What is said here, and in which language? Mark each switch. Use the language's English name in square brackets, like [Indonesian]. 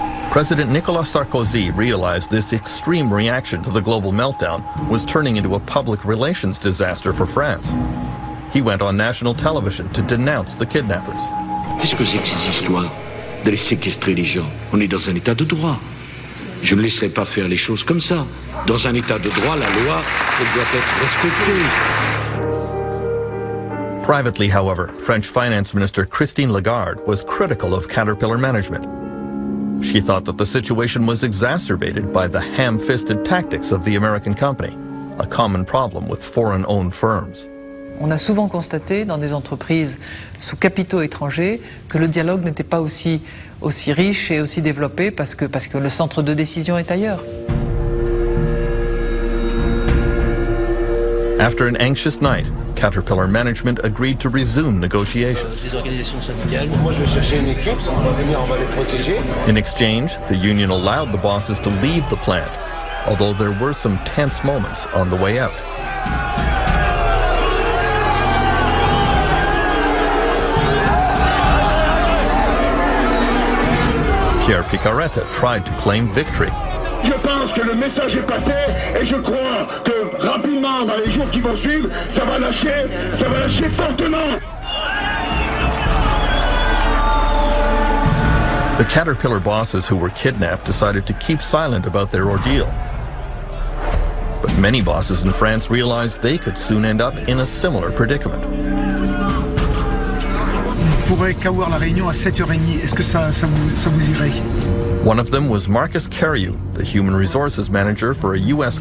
[English] President Nicolas Sarkozy realized this extreme reaction to the global meltdown was turning into a public relations disaster for France. He went on national television to denounce the kidnappers. [French] Qu'est-ce que c'est que cette histoire d'aller séquestrer les gens? On est dans un état de droit. Je ne laisserai pas faire les choses comme ça. Dans un état de droit, la loi, elle doit être respectée. [English] Privately, however, French Finance Minister Christine Lagarde was critical of Caterpillar management. She thought that the situation was exacerbated by the ham-fisted tactics of the American company, a common problem with foreign-owned firms. [French] On a souvent constaté dans des entreprises sous capitaux étrangers que le dialogue n'était pas aussi riche et aussi développé parce que le centre de décision est ailleurs. [English] After an anxious night, Caterpillar management agreed to resume negotiations. In exchange, the union allowed the bosses to leave the plant, although there were some tense moments on the way out. Pierre Picaretta tried to claim victory. [French] Je pense que le message est passé et je crois que rapidement dans les jours qui vont suivre, ça va lâcher fortement. [English] The Caterpillar bosses who were kidnapped decided to keep silent about their ordeal. But many bosses in France realized they could soon end up in a similar predicament. One of them was Marcus Carriou, the human resources manager for a U.S.